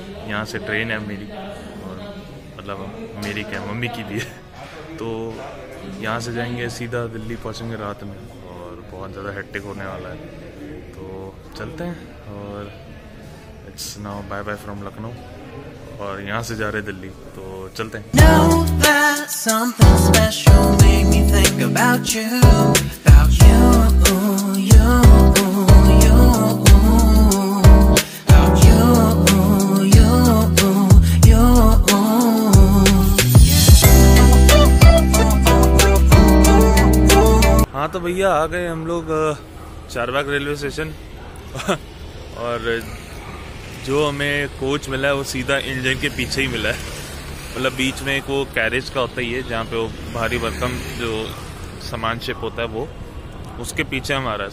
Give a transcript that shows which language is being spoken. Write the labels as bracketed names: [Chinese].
[Hindi] यहाँ से ट्रेन है मेरी, और मतलब मेरी क्या, मम्मी की भी है, तो यहाँ से जाएंगे सीधा दिल्ली पहुँचेंगे रात में, और बहुत ज़्यादा हेक्टिक होने वाला है, तो चलते हैं। और [English] it's now bye bye from Lucknow, [Hindi] और यहाँ से जा रहे दिल्ली, तो चलते हैं। [English] Something special made me think about you, about you, you, you, about you, you, you. [Hindi] हाँ तो भैया आ गए हम लोग चारबाग रेलवे स्टेशन, और जो हमें कोच मिला है वो सीधा इंजन के पीछे ही मिला है। मतलब बीच में एक वो कैरेज का होता ही है जहाँ पे वो भारी भरकम जो सामान शिप होता है वो, उसके पीछे हमारा है।